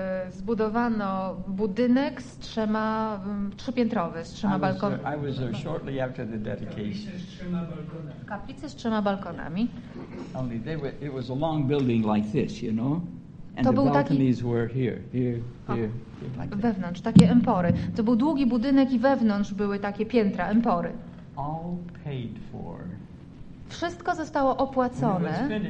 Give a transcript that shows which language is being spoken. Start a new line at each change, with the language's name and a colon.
Polish: Zbudowano budynek z trzema trzypiętrowy, z trzema balkonami.
English: I was there shortly after the dedication.
Polish: Kaplicy z trzema balkonami.
English: Only they were, it was a long building like this, you know? And
Polish: to
English: the
Polish: był
English: balconies
Polish: taki...
English: were here like
Polish: wewnątrz, takie empory. To był długi budynek i wewnątrz były takie piętra, empory.
English: All paid for.
Polish: Wszystko zostało opłacone.